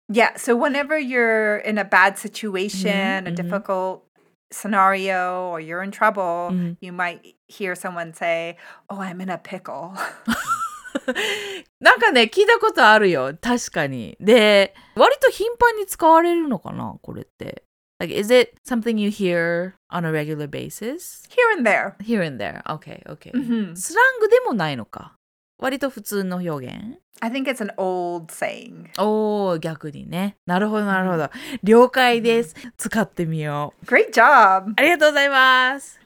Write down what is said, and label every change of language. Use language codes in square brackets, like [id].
[en] Yeah, so whenever you're in a bad situation, a difficult scenario, or you're in trouble, you might hear someone say, oh, I'm in a pickle. [ja] なんかね、聞いたことあるよ、確かに。で、割と頻繁に使われるのかな、これって。 [en] Like, is it something you hear on a regular basis? Here and there. Here and there, okay, okay. Mm-hmm. [ja] スラングでもないのか。割と普通の表現? [en] I think it's an old saying. [ja] Oh, 逆にね。なるほど、なるほど。了解です。使ってみよう。 [en] Great job! [ja] ありがとうございます。